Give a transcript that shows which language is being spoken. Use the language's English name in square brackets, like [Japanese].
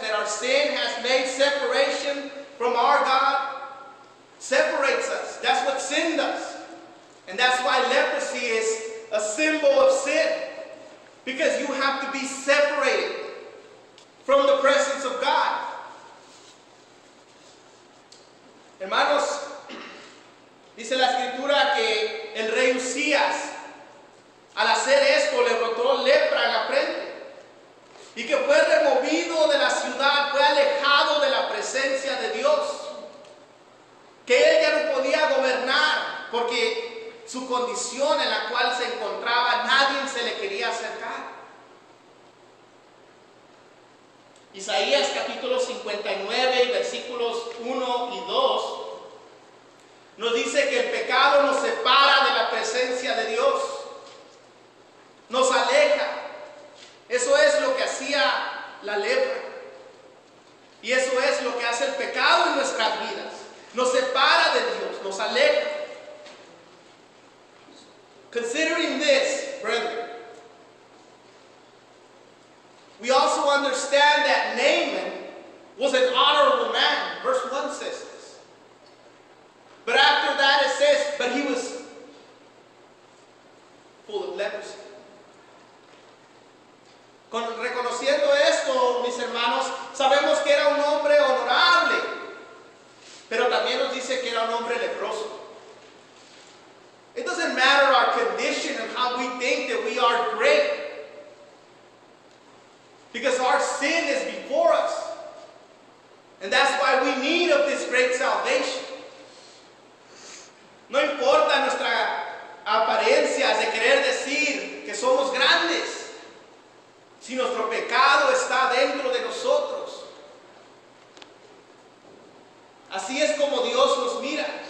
[English] That our sin has made separation from our God. Separates us. That's what sin does. And that's why leprosy is a symbol of sin. Because you have to be separated from the presence of God. [Spanish] Hermanos, dice la escritura que el rey Uzzías, al hacer esto, le brotó lepra en la frente. Y que fue removido de la ciudad, fue alejado de la presencia de Dios. Que él ya no podía gobernar, porque su condición en la cual se encontraba, nadie se le quería acercar. Isaías capítulo 59, versículos 1 y 2. Nos dice que el pecado nos separa de la presencia de Dios. Nos aleja. Eso es lo que hacía la lepra. Y eso es lo que hace el pecado en nuestras vidas. Nos separa de Dios. Nos aleja. [English] Considering this, brethren, we also understand that Naaman was an honorable man. Verse 1 says, but after that it says, but he was full of leprosy. [Spanish] Reconociendo esto, mis hermanos, sabemos que era un hombre honorable. Pero también nos dice que era un hombre leproso. [English] It doesn't matter our condition and how we think that we are great. Because our sin is before us. And that's why we need of this great salvation. [Spanish] No importa nuestra apariencia de querer decir que somos grandes, si nuestro pecado está dentro de nosotros. Así es como Dios nos mira.